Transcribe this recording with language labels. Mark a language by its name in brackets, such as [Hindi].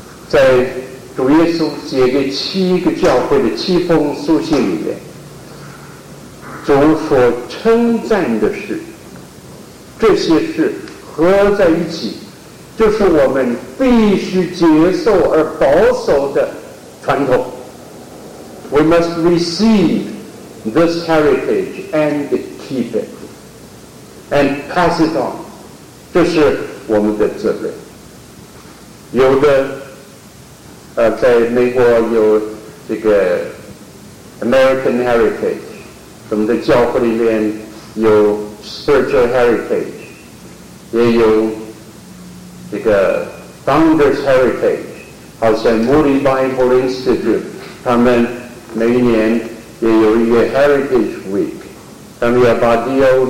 [Chinese] 在主耶稣写给七个教会的七封书信里面，主所称赞的事，这些事合在一起，就是我们必须接受而保守的传统。 [English] We must receive this heritage and keep it. And pass it on， [Chinese] 这是我们的责任。有的，在美国有这个 American Heritage， 我们的教会里面有 Spiritual Heritage， 也有这个 Founders Heritage， 好像 Moody Bible Institute， 他们每一年也有一个 Heritage Week， 他们要把 D.L.